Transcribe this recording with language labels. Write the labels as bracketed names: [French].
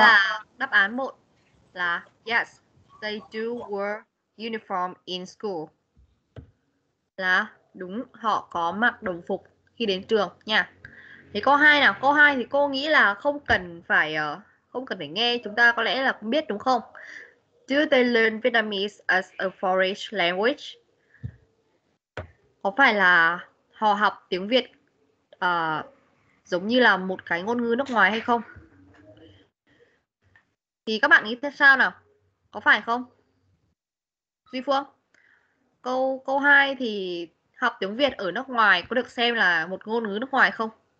[Vietnamese] Là đáp án 1 là [English] yes, they do wear uniform in school. [Vietnamese] Là đúng, họ có mặc đồng phục khi đến trường nha. Thế câu 2 nào? Câu 2 thì cô nghĩ là không cần phải nghe, chúng ta có lẽ là cũng biết đúng không? [English] Do they learn Vietnamese as a foreign language? [Vietnamese] Có phải là họ học tiếng Việt giống như là một cái ngôn ngữ nước ngoài hay không? Thì các bạn nghĩ thế sao nào? Có phải không? Duy Phương? Câu 2 thì học tiếng Việt ở nước ngoài có được xem là một ngôn ngữ nước ngoài không?